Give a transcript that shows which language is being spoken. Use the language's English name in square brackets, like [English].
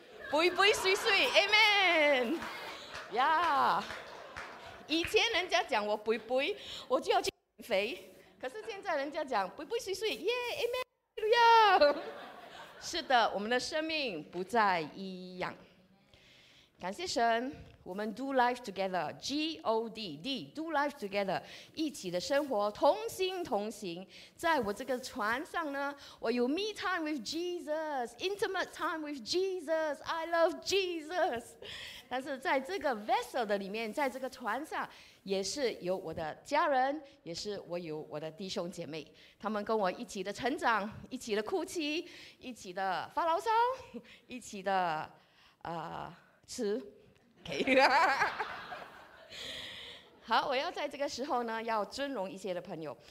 [Chinese] 肥肥碎碎 Amen yeah。以前人家讲我肥肥，我就要去减肥，可是现在人家讲肥肥碎碎 yeah， Amen yeah。是的，我们的生命不再一样，感谢神。我们 [English] do life together， [Chinese] G-O-D D， do life together， 一起的生活，同心同行。在我这个船上呢，我有 [English] me time with Jesus， intimate time with Jesus， I love Jesus。 [Chinese] 但是在这个 vessel 的里面，在这个船上也是有我的家人，也是我有我的弟兄姐妹，他们跟我一起的成长，一起的哭泣，一起的发牢骚，一起的、吃好，我要在这个时候呢，要尊荣一些的朋友。